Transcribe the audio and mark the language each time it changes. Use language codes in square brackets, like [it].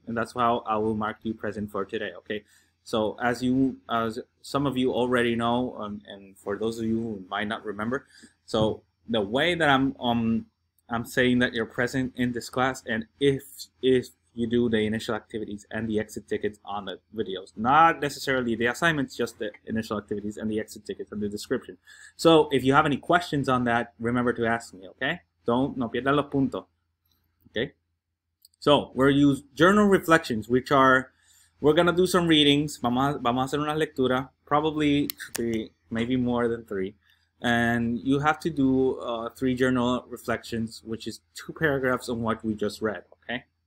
[en] And that's how I will mark you present for today, okay? So as some of you already know, and for those of you who might not remember, so the way that I'm saying that you're present in this class, and if you do the initial activities and the exit tickets on the videos, not necessarily the assignments, just the initial activities and the exit tickets and the description. So if you have any questions on that, remember to ask me, okay? Don't, [es] no pierdas los puntos, [en] okay? So we'll use journal reflections, which are, we're gonna do some readings. [es] Vamos a hacer una lectura, [en] probably three, maybe more than three. And you have to do three journal reflections, which is two paragraphs on what we just read, okay?